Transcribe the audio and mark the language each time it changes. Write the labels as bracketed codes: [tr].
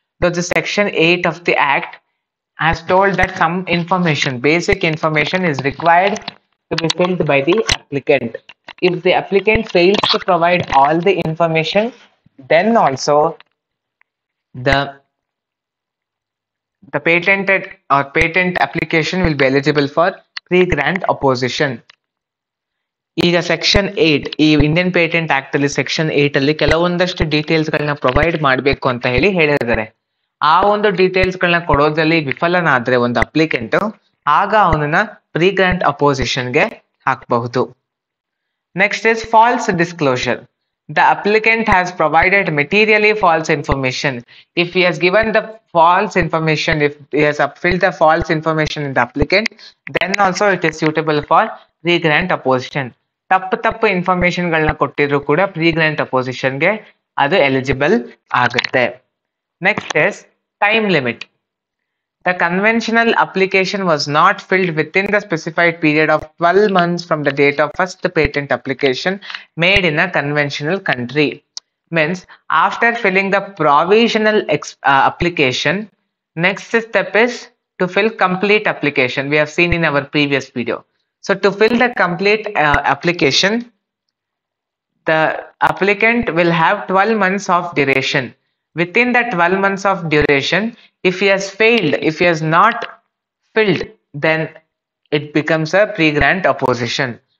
[en] So the Section 8 of the Act has told that some information, basic information is required to be filled by the applicant. If the applicant fails to provide all the information, then also the patented or patent application will be eligible for pre-grant opposition. [kn] ಈಗ section 8 ಈ Indian patent act ಅಲ್ಲಿ section 8 ಅಲ್ಲಿ ಕೆಲವೊಂದಷ್ಟು details ಗಳನ್ನ provide ಮಾಡಬೇಕು ಅಂತ ಹೇಳಿದ್ದಾರೆ. ಆ ಒಂದು ಡೀಟೇಲ್ಸ್ ಗಳನ್ನ ಕೊಡೋದ್ರಲ್ಲಿ ವಿಫಲನಾದ್ರೆ ಒಂದು ಅಪ್ಲಿಕೆಂಟ್ ಆಗ ಅವನನ್ನ ಪ್ರೀಗ್ರಾಂಟ್ ಅಪೋಸಿಷನ್ಗೆ ಹಾಕಬಹುದು. [en] Next is false disclosure. The applicant has provided materially false information. If he has given the false information, if he has filled the false information in the applicant, then also it is suitable for pregrant opposition. [kn] ತಪ್ಪು ತಪ್ಪು information ಗಳನ್ನ ಕೊಟ್ಟಿದ್ರು ಕೂಡ ಪ್ರೀಗ್ರಾಂಟ್ ಅಪೋಸಿಷನ್ಗೆ ಅದು eligible ಆಗುತ್ತೆ. [en] Next is time limit. The conventional application was not filled within the specified period of 12 months from the date of first patent application made in a conventional country. Means after filling the provisional application, next step is to fill complete application. We have seen in our previous video. So to fill the complete application, the applicant will have 12 months of duration. Within that 12 months of duration, if he has not filled, then it becomes a pre-grant opposition.